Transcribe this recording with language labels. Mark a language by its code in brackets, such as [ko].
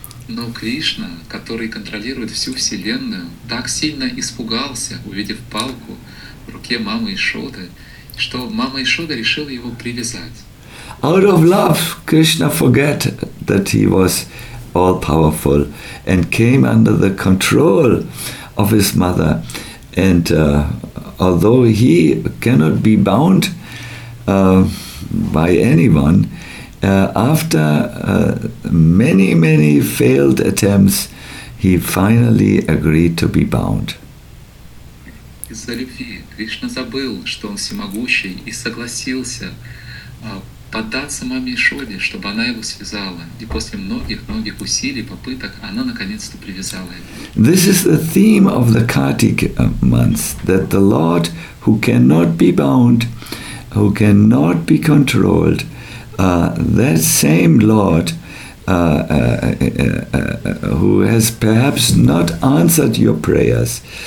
[ru] Но Кришна, который контролирует всю Вселенную, так сильно испугался, увидев палку в руке мамы Ишоды, что мама Ишода решила его привязать. [en] Out of love, Krishna forgot that he was all-powerful and came under the control of his mother. And although he cannot be bound by anyone, after many, many failed attempts, he finally agreed to be bound. [ru] Из-за любви Кришна забыл, что он всемогущий, и согласился поддаться маме Ишоде, чтобы она его связала. И после многих-многих усилий, попыток, она наконец-то привязала его. [en] This is the theme of the Kartik months, that the Lord, who cannot be bound, who cannot be controlled, that same Lord, who has perhaps not answered your prayers,